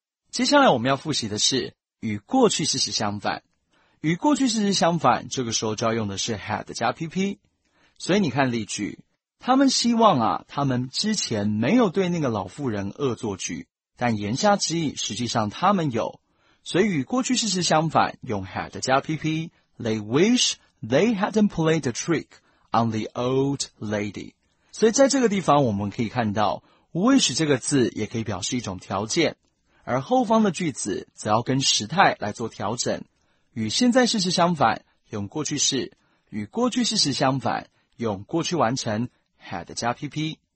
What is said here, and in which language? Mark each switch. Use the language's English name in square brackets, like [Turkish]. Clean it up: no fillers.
[Chinese] 接下来我们要复习的是与过去事实相反。与过去事实相反，这个时候就要用的是 had 加 PP。所以你看例句，他们希望啊，他们之前没有对那个老妇人恶作剧，但言下之意实际上他们有。所以与过去事实相反，用 had 加 PP。 [English] They wish they hadn't played a trick on the old lady。 [Chinese] 所以在这个地方我们可以看到 wish 这个字也可以表示一种条件，而后方的句子则要跟时态来做调整。与现在事实相反用过去式，与过去事实相反用过去完成 had 加 PP。